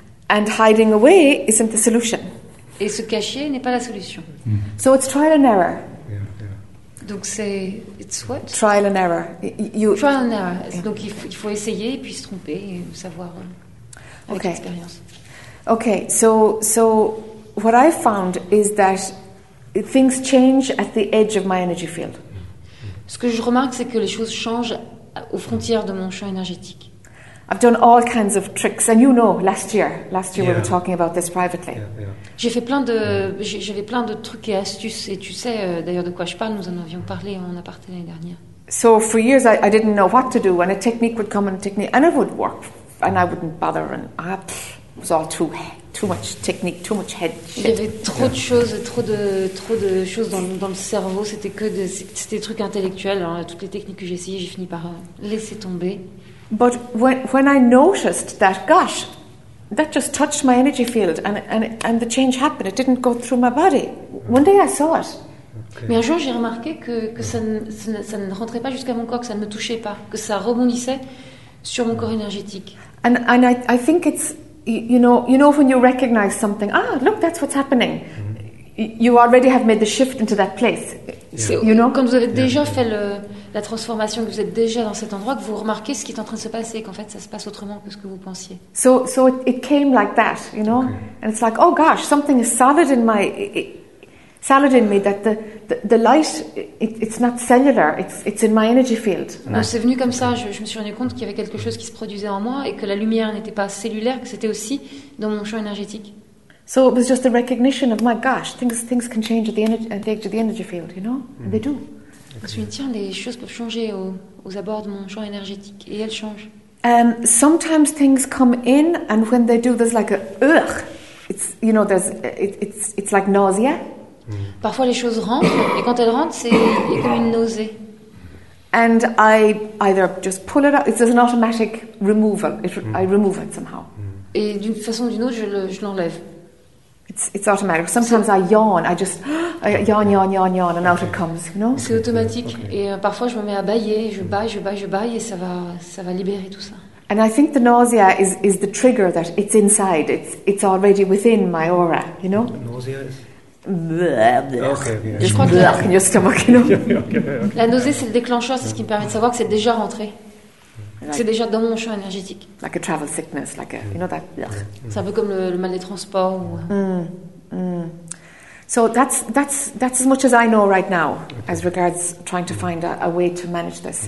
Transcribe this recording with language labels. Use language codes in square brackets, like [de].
[en] And hiding away isn't the solution. [fr] Et se cacher n'est pas la solution. [en] Mm-hmm. So it's trial and error. [fr] Donc c'est [en] it's what? Trial and error. Trial and error. Yeah. [fr] Donc il faut essayer et puis se tromper et savoir avec l'expérience. [en] Okay, so what I found is that things change at the edge of my energy field. [fr] Ce que je remarque, c'est que les choses changent aux frontières de mon champ énergétique. [en] I've done all kinds of tricks, and you know, last year yeah. we were talking about this privately. Yeah, yeah. [fr] J'ai fait plein de, j'avais plein de trucs et astuces, et tu sais d'ailleurs de quoi je parle. Nous en avions parlé en aparté l'année dernière. [en] So for years I didn't know what to do, and a technique would come, and a technique, and it would work, and I wouldn't bother, and it was all too much technique, too much head shit. [fr] Il y avait trop de choses, trop de choses dans le cerveau. C'était des trucs intellectuels. Alors, toutes les techniques que j'ai essayées, j'ai fini par laisser tomber. [en] But when I noticed that, gosh, that just touched my energy field, and the change happened. It didn't go through my body. One day I saw it. [fr] Mais un jour, j'ai remarqué que ça ne rentrait pas jusqu'à mon corps, que ça ne me touchait pas, que ça rebondissait sur mon corps énergétique. [en] And I think it's You know when you recognize something, look, that's what's happening. You already have made the shift into that place. Yeah. You know, [fr] quand vous avez déjà fait la transformation, que vous êtes déjà dans cet endroit, que vous remarquez ce qui est en train de se passer, qu'en fait ça se passe autrement que ce que vous pensiez. [en] So it came like that, you know, okay. And it's like, oh gosh, something is solid in me that the light it's not cellular, it's in my energy field. [fr] Donc c'est venu comme ça, je me suis rendu compte qu'il y avait quelque chose qui se produisait en moi et que la lumière n'était pas cellulaire, que c'était aussi dans mon champ énergétique. [en] So it was just a recognition of, my gosh, things can change at the edge of the energy field, you know. And they do. [fr] Je me suis dit, tiens, les choses peuvent changer aux abords de mon champ énergétique, et elles changent. [en] Sometimes things come in, and when they do, there's like it's like nausea. [fr] Parfois les choses rentrent, et quand elles rentrent, c'est comme une nausée. [en] And I either just pull it out, it's an automatic removal, I remove it somehow. [fr] Et d'une façon ou d'une autre, je l'enlève. [en] It's automatic. Sometimes I yawn, I yawn, and out it comes, you know? [fr] C'est automatique, et parfois je me mets à bâiller, je baille, et ça va libérer tout ça. [en] And I think the nausea is the trigger that it's inside. It's already within my aura, you know? Nausea is... Okay, yeah. Blah, in your stomach, you know? Yeah, okay, [fr] okay. La nausée, c'est le déclencheur, c'est ce qui me permet de savoir que c'est déjà rentré. Like, c'est déjà dans mon champ énergétique. [en] Like a travel sickness, like a, you know that? Blah. [fr] C'est un peu comme le mal des transports. Ou... [en] So that's as much as I know right now, okay. As regards trying to find a way to manage this.